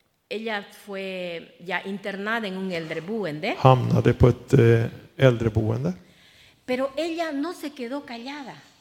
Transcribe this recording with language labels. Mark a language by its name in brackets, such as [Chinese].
[Spanish] Ella fue ya internada en un äldreboende. [Swedish] Hamnade på ett äldreboende. [Spanish] Pero ella no se quedó callada.